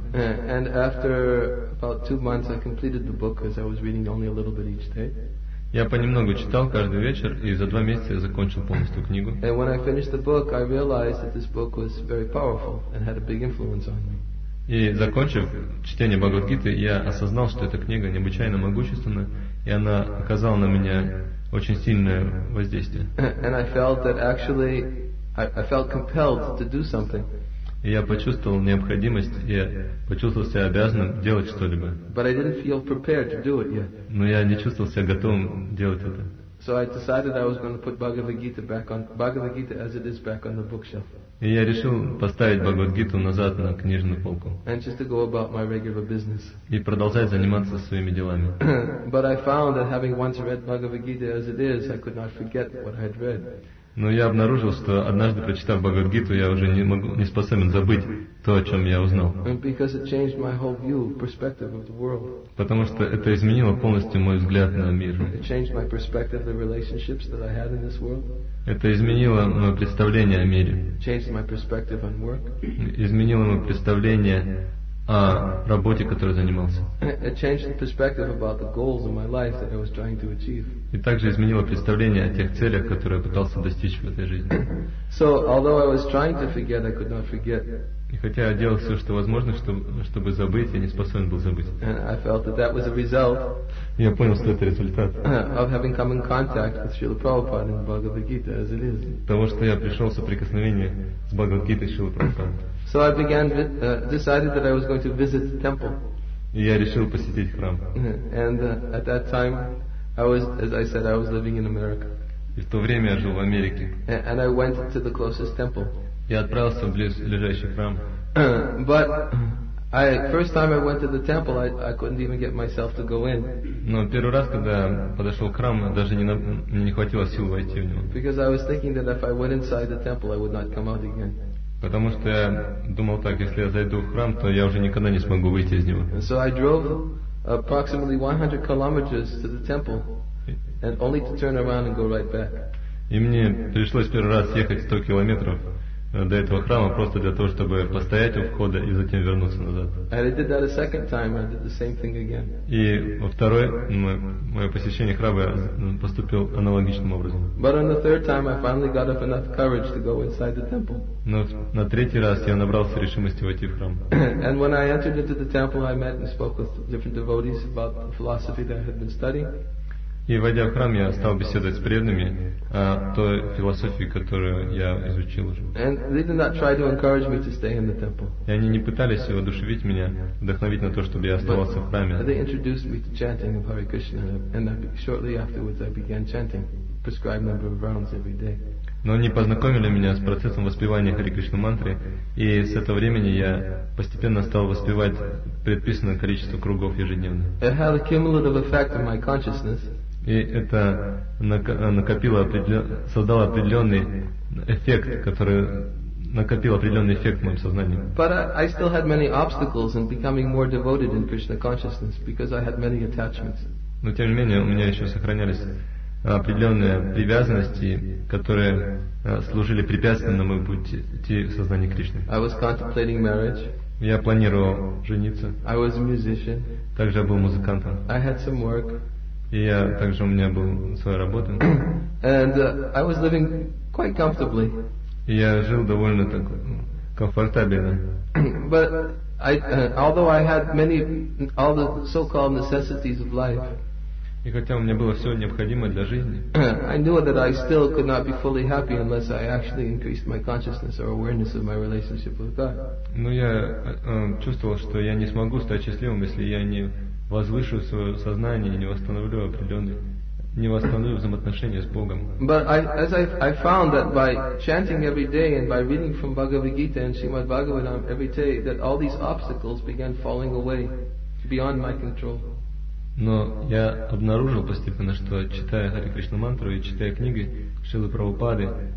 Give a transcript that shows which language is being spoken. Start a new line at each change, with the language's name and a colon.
English: And after about 2 months, I completed the book because I was reading only a little bit each day.
Russian: Я понемногу читал каждый вечер, и за 2 месяца я закончил полностью книгу.
English: And when I finished the book, I realized that this book was very powerful and had a big influence on me.
Russian: И закончив чтение Бхагавад-гиты, я осознал, что эта книга необычайно могущественна, и она оказала на меня очень сильное воздействие.
English: And I felt that actually I felt compelled to do something.
Russian: И я почувствовал необходимость, я почувствовал себя обязанным делать что-либо.
English: But I didn't feel prepared to do it yet.
Russian: Но я не чувствовал себя готовым делать это.
English: So I decided I was going to put Bhagavad-gita as it is back on the bookshelf.
Russian: И я решил поставить Бхагавад-гиту назад на книжную полку.
English: And just to go about my regular business.
Russian: И продолжать заниматься своими делами.
English: But I found that having once read Bhagavad-gita as it is, I could not forget what I had read.
Russian: Но я обнаружил, что однажды прочитав Бхагавад-гиту, я уже не способен забыть то, о чем я узнал.
English: Because it changed my whole view, perspective of the world.
Russian: Потому что это изменило полностью мой взгляд на мир.
English: It changed my perspective of the relationships that I had in this world.
Russian: Это изменило мое представление о мире.
English: Changed my perspective on work.
Russian: Изменило мое представление о работе, которой занимался.
English: It changed the perspective about the goals of my life that I was trying to achieve.
Russian: И также изменило представление о тех целях, которые я пытался достичь в этой жизни.
English: So, although I was trying to forget, I could not forget.
Russian: И хотя я делал все, что возможно, чтобы забыть, я не способен был забыть.
English: And I felt that that was a result.
Russian: Я понял, что это результат.
English: Of having come in contact with Srila Prabhupada and Bhagavad-gita as it is.
Russian: Того, что я пришел в соприкосновение с Бхагавад-гитой Шрилы Прабхупады.
English: So I began decided that I was going to visit the temple.
Russian: И я решил посетить храм.
English: And at that time, as I said, I was living in America.
Russian: И в то время я жил в Америке.
English: And I went to the closest temple.
Russian: Я отправился в ближайший храм.
English: But I first time I went to the temple, I couldn't even get myself to go in.
Russian: Но первый раз, когда подошел к храму, даже не хватило сил войти в него.
English: Because I was thinking that if I went inside the temple, I would not come out again.
Russian: Потому что я думал так, если я зайду в храм, то я уже никогда не смогу выйти из него.
English: So I drove approximately 100 kilometers to the temple, and only to turn around and go right back.
Russian: И мне пришлось первый раз ехать 100 километров до этого храма просто для того, чтобы постоять у входа и затем вернуться назад.
English: And I did that a second time, and I did the same thing again.
Russian: И во второй мое посещение храма поступил аналогичным образом.
English: But on the third time, I finally got up enough courage to go inside the temple.
Russian: Но на третий раз я набрался решимости войти в храм.
English: And when I entered into the temple, I met and spoke with different devotees about the philosophy that I had been studying.
Russian: И войдя в храм, я стал беседовать с преданными о той философии, которую я изучил уже.
English: And they did not try to encourage me to stay in the temple.
Russian: И они не пытались воодушевить меня, вдохновить на то, чтобы я оставался в храме.
English: But they introduced me to chanting of Hare Krishna, and shortly afterwards I began chanting prescribed number of rounds every day.
Russian: Но они познакомили меня с процессом воспевания Хари Кришна мантры, и с этого времени я постепенно стал воспевать предписанное количество кругов ежедневно.
English: It had a cumulative effect on my consciousness.
Russian: И это накопил определенный эффект в моем сознании.
English: But I still had many obstacles in becoming more devoted in Krishna consciousness because I had many attachments.
Russian: Но тем не менее у меня еще сохранялись определенные привязанности, которые служили препятствием на моем пути в сознании Кришны.
English: I was contemplating marriage.
Russian: Я планировал жениться.
English: I was a musician.
Russian: Также я был музыкантом.
English: I had some work.
Russian: И я также у меня был своя работа.
English: And I was living quite comfortably.
Russian: И я жил довольно так комфортабельно.
English: But although I had all the so-called necessities of life.
Russian: И хотя у меня было все необходимое для жизни,
English: I knew that I still could not be fully happy unless I actually increased my consciousness or awareness of my relationship with God.
Russian: Но я чувствовал, что я не смогу стать счастливым, если я не возвышу свое сознание и не восстановлю взаимоотношения с Богом.
English: But I found that by chanting every day and by reading from Bhagavad Gita and Srimad Bhagavatam every day, that all these obstacles began falling away beyond my control.
Russian: Но я обнаружил постепенно, что читая Хари Кришна мантру и читая книги Шрилы Прабхупады,